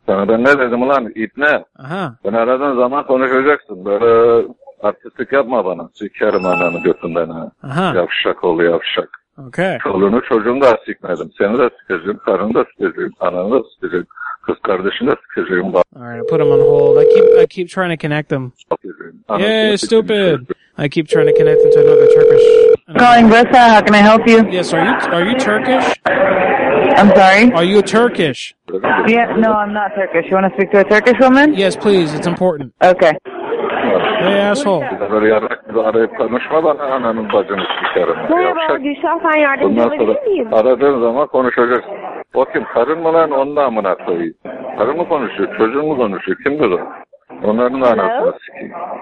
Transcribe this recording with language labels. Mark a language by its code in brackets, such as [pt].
[tr] Sana ben ne dedim lan? İtne. Aha. Ben aradığın zaman konuşacaksın. Böyle... Artistlik yapma bana. Sikerim ananı götünden ha. Aha. Yavşak oğlu yavşak. [en] Okay. [tr] Çoluğunu çocuğunu da sikmedim. Seni de sikeceğim. Karını da sikeceğim. Ananı da sikeceğim. Kız kardeşini de sikeceğim. [en] Alright, I put him on hold. I keep trying to connect them. Yeah, stupid. I keep trying to connect them to another Turkish. Calling Brisa, how can I help you? Yes, are you Turkish? I'm sorry? Are you Turkish? Yeah, no, I'm not Turkish. You want to speak to a Turkish woman? Yes, please. It's important. Okay. Hey, asshole. [tr] Böyle arayıp konuşma bana ananın bacını sikerim. Merhaba, Gülşah, sen yardımcı olabilir miyim? Aradığın zaman konuşacaksın. O kim? Karın mı lan? Onun da amına koyayım. Karın mı konuşuyor? Çocuğun mu konuşuyor? Kimdir o? Onların da anasını sikeyim.